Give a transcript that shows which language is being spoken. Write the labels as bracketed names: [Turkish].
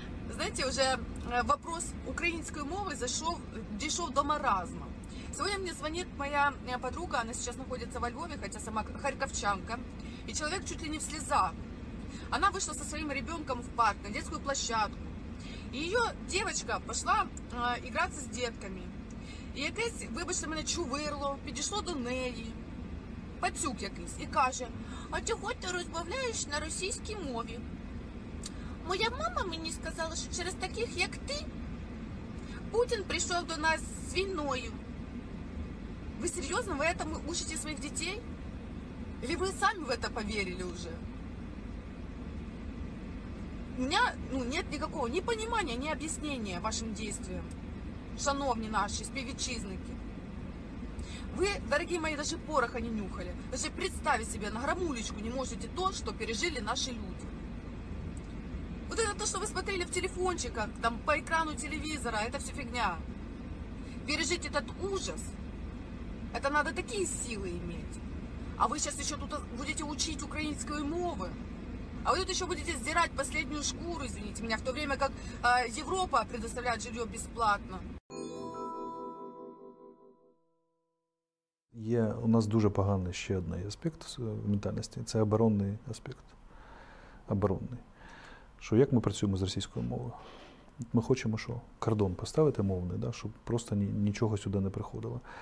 [Russian] Знаете, уже вопрос украинской мовы дошел до маразма. Сегодня мне звонит моя подруга, она сейчас находится во Львове, хотя сама харьковчанка, и человек чуть ли не в слезах. Она вышла со своим ребенком в парк, на детскую площадку. И ее девочка пошла играться с детками. [Ukrainian] И якесь, вибачте мене, чувырло, підійшло до неї, пацюк якийсь, і каже: «А чого ти розмовляєш на російській мові? Моя мама мені сказала, що через таких, як ти, Путін прийшов до нас з війною. Ви серйозно, ви этому учите своїх дітей? Или ви самі в это повірили уже?» [Russian] У меня нет никакого ни понимания, ни объяснения вашим действиям, [Ukrainian] шановні наші співвітчизники. [Russian] Вы, дорогие мои, даже пороха не нюхали. Даже представить себе на грамулечку не можете то, что пережили наши люди. Вот это то, что вы смотрели в телефончиках, там по экрану телевизора, это все фигня. Пережить этот ужас, это надо такие силы иметь. А вы сейчас еще тут будете учить украинскую мову. А вы тут еще будете сдирать последнюю шкуру, извините меня, в то время как Европа предоставляет жилье бесплатно. [Ukrainian] У нас дуже поганий ще один аспект ментальності. Це оборонний аспект. Оборонний. Що як ми працюємо з російською мовою? Ми хочемо що? Кордон поставити мовний, да? Щоб просто нічого сюди не приходило.